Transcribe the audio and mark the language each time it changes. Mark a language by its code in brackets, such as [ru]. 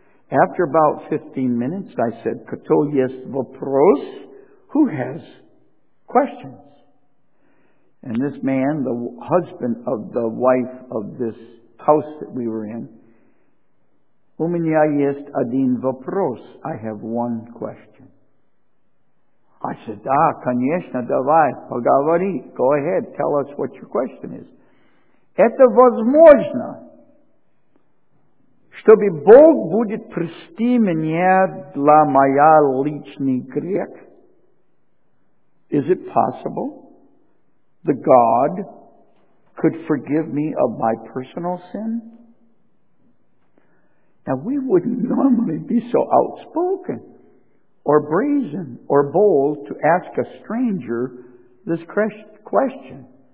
[en] After about 15 minutes, I said, [ru] Kto yest vopros? [en] Who has questions? And this man, the husband of the wife of this house that we were in, [ru] У меня есть один вопрос. [en] I have one question. I said, [ru] да, конечно, давай, поговори. [en] Go ahead, tell us what your question is. [ru] Это возможно, чтобы Бог будет прости меня для моя личный грех? [en] Is it possible that God could forgive me of my personal sin? Now, we wouldn't normally be so outspoken or brazen or bold to ask a stranger this question.